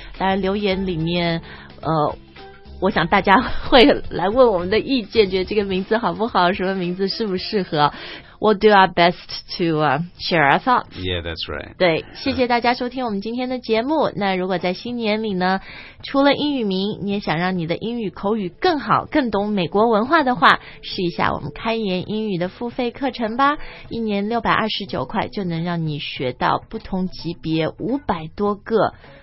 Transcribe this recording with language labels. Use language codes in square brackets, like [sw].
[zh] 当然留言里面，我想大家会来问我们的意见，觉得这个名字好不好，什么名字适不适合。 [en] We'll do our best to share our thoughts. Yeah, that's right. [zh] 对，谢谢大家收听我们今天的节目。那如果在新年里呢，除了英语名，你也想让你的英语口语更好，更懂美国文化的话，试一下我们开言英语的付费课程吧。一年629块，就能让你学到不同级别500多个